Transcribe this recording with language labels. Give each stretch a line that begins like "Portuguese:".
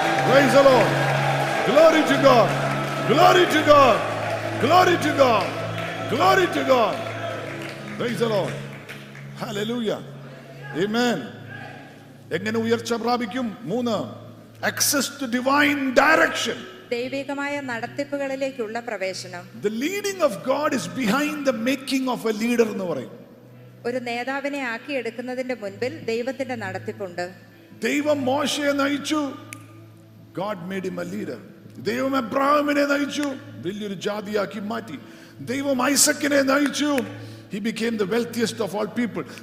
English: Praise the Lord. Glory to God. Glory to God. Glory to God. Glory to God. Praise the Lord. Hallelujah. Amen.
Malayalam: എങ്ങനെ ഉയർച്ച പ്രാപിക്കും? മൂന്ന്,
English: access to divine direction.
Malayalam: ദൈവികമായ നടത്തിപ്പുകളിലേക്കുള്ള പ്രവേശനം.
English: The leading of God is behind the making of a leader
Malayalam: എന്ന് പറയും. ഒരു നേതാവിനെ ആക്കി എടുക്കുന്നതിന്റെ മുൻപിൽ ദൈവത്തിന്റെ നടത്തിപ്പുണ്ട്. ദൈവം മോശയെ നയിച്ചു.
English: God made him a leader.
Malayalam: ദൈവം അബ്രഹാമിനെ നയിച്ചു, വലിയൊരു ജാതിയാക്കി മാറ്റി. ദൈവം ഐസക്കിനെ നയിച്ചു,
English: he became the wealthiest of all people.